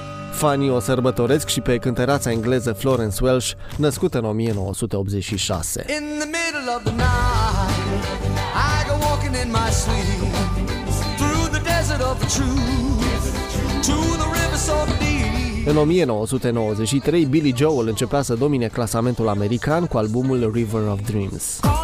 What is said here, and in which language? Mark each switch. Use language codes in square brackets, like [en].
[ro] Fanii o sărbătoresc și pe cântăreața engleză Florence Welsh, născută în 1986. [en] In the middle of the night, I go walking in my sleep, through the desert of the truth, to the river so deep. [ro] În 1993, Billy Joel începea să domine clasamentul american cu albumul River of Dreams.